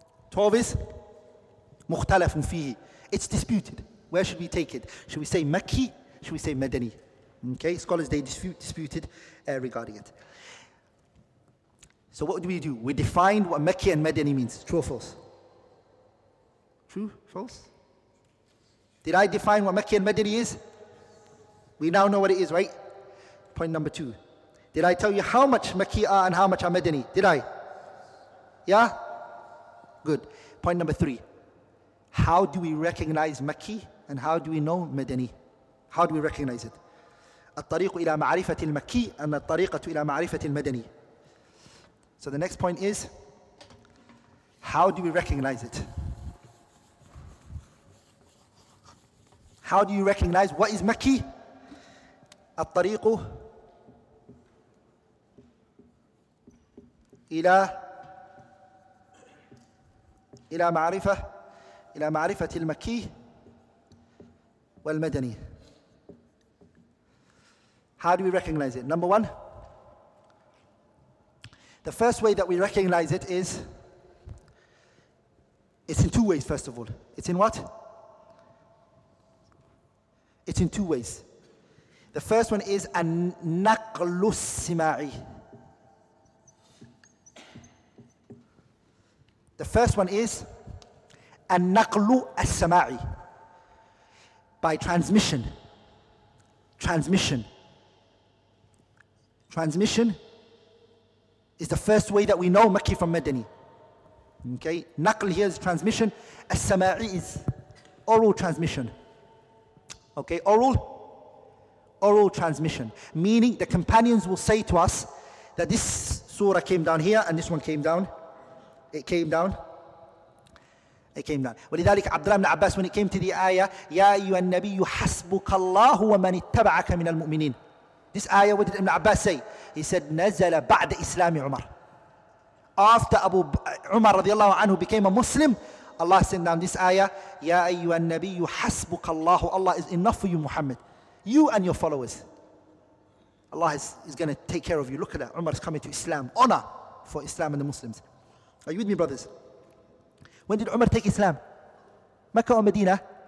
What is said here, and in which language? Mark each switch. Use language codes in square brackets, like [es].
[en] 12 is [ar] مُخْتَلَفٌ فِيهِ. [en] It's disputed. Where should we take it? Should we say Makki? Should we say Madani? Okay, scholars, they disputed regarding it. So what do? We define what Makki and Madani means. True or false? True, false? Did I define what Makki and Madani is? We now know what it is, right? Point number two. Did I tell you how much Makki are and how much are Madani? Did I? Yeah? Good. Point number three. How do we recognize Makki and how do we know Madani? How do we recognize it? [ar] الطريق إلى معرفة المكي أما الطريقة إلى معرفة المدني. [en] So the next point is, how do we recognize it? How do you recognize what is Makki? [ar] الطريق إلى معرفة المكي والمدني. [en] How do we recognize it? Number one, the first way that we recognize it is, it's in two ways, first of all. It's in what? It's in two ways. The first one is النقل السماعي. The first one is النقل السماعي. By transmission. Transmission. Transmission is the first way that we know Makki from Madani. Okay, naql here is transmission. As-sama'i is oral transmission. Okay, oral transmission. Meaning the companions will say to us that this surah came down here and this one came down. It came down. [ar] ولذلك عبد الله بن عباس, [en] when it came to the ayah, [ar] يَا أَيُّهَا النَّبِيُّ حَسْبُكَ اللَّهُ وَمَنِ اتَّبَعَكَ مِنَ الْمُؤْمِنِينَ. [en] This ayah, what did Ibn Abbas say? He said, [ar] نَزَلَ بَعْدَ إِسْلَامِ عُمَرْ. [en] After Abu Umar radiallahu anhu became a Muslim, Allah sent down this ayah, [ar] يَا أَيُّهَا النَّبِيُّ حَسْبُكَ اللَّهُ. [en] Allah is enough for you, Muhammad. You and your followers. Allah is going to take care of you. Look at that. Umar is coming to Islam. Honor for Islam and the Muslims. Are you with me, brothers? When did Umar take Islam? Mecca or Medina?